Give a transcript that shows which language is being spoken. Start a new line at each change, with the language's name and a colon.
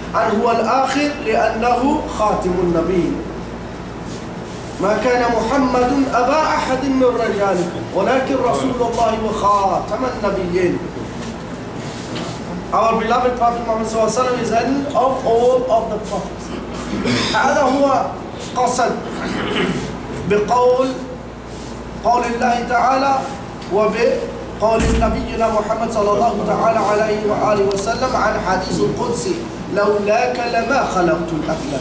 Arabic: And هو الآخر لأنه خاتم النبي. ما كان محمد أبا أحد من رجالكم ولكن رسول الله وخاتم النبيين.
English: Our beloved Prophet Muhammad صلى الله عليه وسلم is the end of all of the prophets.
Arabic: هذا هو قصد بقول قول الله تعالى وبقول نبينا محمد صلى الله تعالى عليه وآله وسلم عن حديث القدسي: لولاك لما خلقت الأفلام.